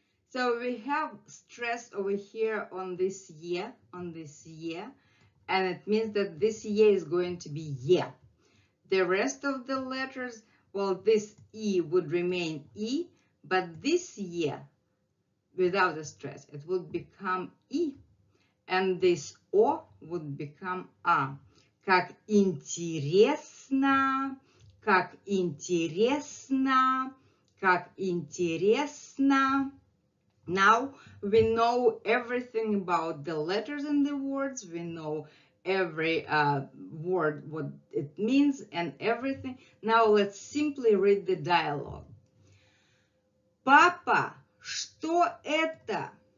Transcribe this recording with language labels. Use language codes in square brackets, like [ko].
[en] So we have stress over here on this E, on this E, and it means that this E is going to be E. The rest of the letters, well, this E would remain E, but this Е, without a stress, it would become E. and this о would become а. [ru] Как интересно, как интересно, как интересно. [en] Now we know everything about the letters and the words. We know every word, what it means and everything. Now let's simply read the dialogue. [ru] Папа, что это?